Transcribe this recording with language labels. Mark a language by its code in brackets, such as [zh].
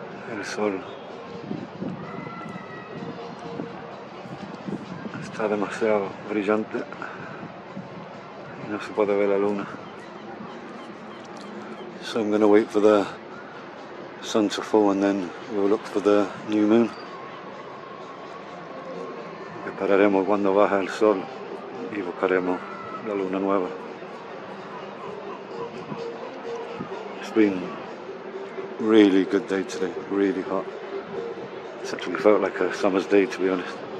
[es] El sol está demasiado brillante. No se puede ver la luna. [en] So I'm going to wait for the sun to fall and then we'll look for the new moon. [es] Esperaremos cuando baja el sol y buscaremos la luna nueva. [en] It's been a really good day today, really hot. It's actually felt like a summer's day, to be honest.